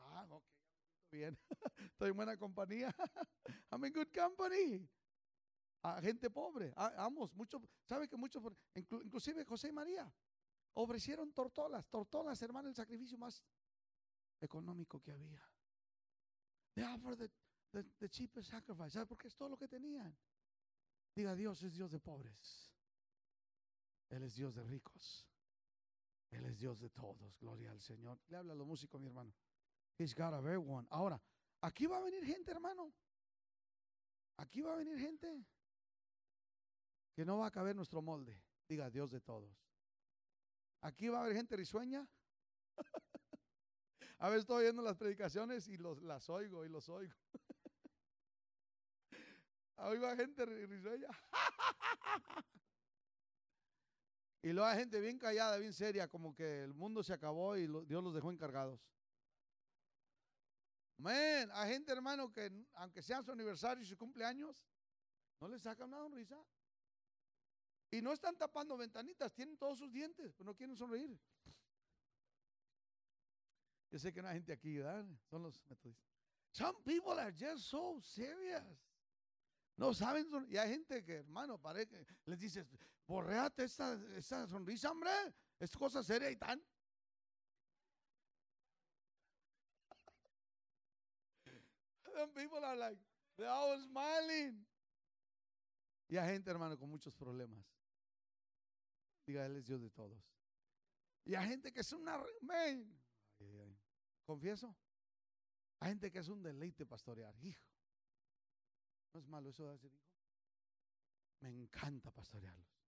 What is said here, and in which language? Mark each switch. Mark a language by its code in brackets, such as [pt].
[es] Ok, bien. Estoy en buena compañía. [en] I'm in good company. [es] A gente pobre, amos, muchos, sabe que muchos, inclusive José y María, ofrecieron tortolas. Tortolas, hermano, el sacrificio más económico que había. [en] They offered the cheapest sacrifice. [es] ¿Sabes por qué? Es todo lo que tenían. Diga, Dios es Dios de pobres. Él es Dios de ricos. Él es Dios de todos. Gloria al Señor. Le habla a los músicos, mi hermano. [en] He's got a very one. [es] Ahora, aquí va a venir gente, hermano. Aquí va a venir gente que no va a caber nuestro molde. Diga, Dios de todos. Aquí va a haber gente risueña. A veces estoy oyendo las predicaciones y las oigo y los oigo. Ahí va gente risueña. Y luego hay gente bien callada, bien seria, como que el mundo se acabó y Dios los dejó encargados. Amén. Hay gente, hermano, que aunque sea su aniversario y su cumpleaños, no le saca una sonrisa. Y no están tapando ventanitas, tienen todos sus dientes, pero no quieren sonreír. Yo sé que no hay gente aquí, ¿verdad? Son los metodistas. [en] Some people are just so serious. [es] No saben sonreír. Y hay gente que, hermano, parece que les dices, borréate esa sonrisa, hombre. Es cosa seria y tan. [en] Some people are like, they're always smiling. [es] Y hay gente, hermano, con muchos problemas. Diga, Él es Dios de todos. Y hay gente que es una, man. Confieso. Hay gente que es un deleite pastorear. Hijo. No es malo eso de decir, hijo. Me encanta pastorearlos.